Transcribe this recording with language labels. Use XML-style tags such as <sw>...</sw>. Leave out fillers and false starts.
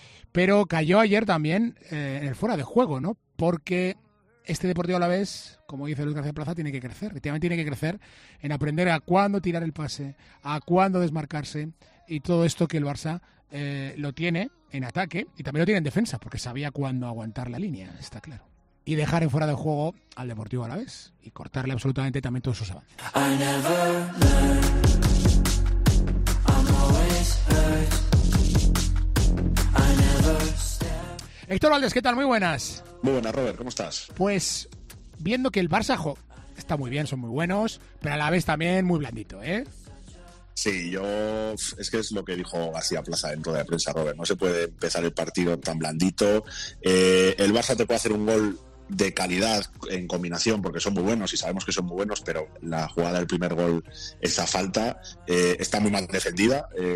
<es>Pero cayó ayer también en el fuera de juego, ¿no? Porque este Deportivo Alavés, como dice Luis García Plaza, tiene que crecer, efectivamente tiene que crecer en aprender a cuándo tirar el pase, a cuándo desmarcarse y todo esto que el Barça lo tiene en ataque y también lo tiene en defensa, porque sabía cuándo aguantar la línea, está claro. Y dejar en fuera de juego al Deportivo Alavés y cortarle absolutamente también todos sus avances.</es> <en>I never learned, I'm always hurt. I never stand.</en> <es>Héctor Valdés, ¿qué tal? Muy buenas. Muy buenas, Robert, ¿cómo estás? Pues viendo que el Barça está muy bien, son muy buenos, pero a la vez también muy blandito, ¿eh? Sí, yo... Es que es lo que dijo García Plaza en rueda de prensa, Robert. No se puede empezar el partido tan blandito. El Barça te puede hacer un gol de calidad en combinación, porque son muy buenos y sabemos que son muy buenos, pero la jugada del primer gol, esa falta, está muy mal defendida.</es>